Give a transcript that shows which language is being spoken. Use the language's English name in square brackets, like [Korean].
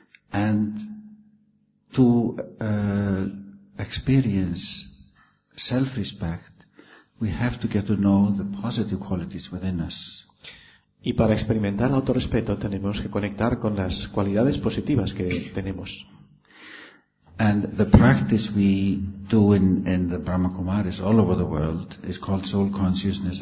[English] And to experience self-respect, we have to get to know the positive qualities within us. [Spanish] Y para experimentar autorrespeto tenemos que conectar con las cualidades positivas que tenemos. [English] And the practice we do in the Brahma Kumaris all over the world is called soul consciousness.